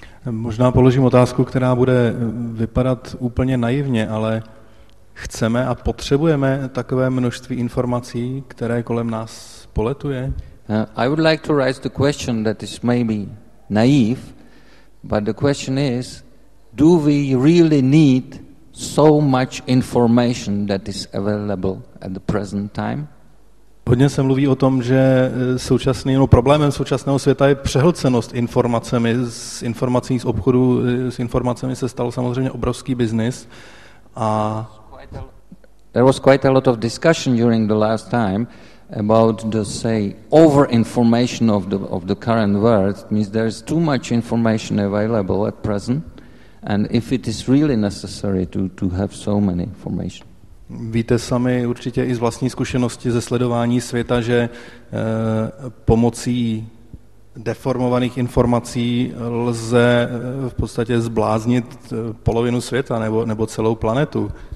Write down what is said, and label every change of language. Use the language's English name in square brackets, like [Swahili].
[Czech] Možná položím otázku, která bude vypadat úplně naivně, ale chceme a potřebujeme takové množství informací, které kolem nás poletuje. [English] I would like to raise the question that is maybe naive, but the question is, do we really need so much information that is available at the present time? [Czech] Hodně se mluví o tom, že problémem současného světa je přehlcenost informacemi, s informací z obchodu, s informacemi se stal samozřejmě obrovský biznis. [English] There was quite a lot of discussion during the last time about the, say, over-information of the current world. It means there is too much information available at present, and if it is really necessary to have so many information. [Czech] Víte sami určitě i z vlastní zkušenosti ze sledování světa, že pomocí deformovaných informací lze v podstatě zbláznit polovinu světa nebo celou planetu.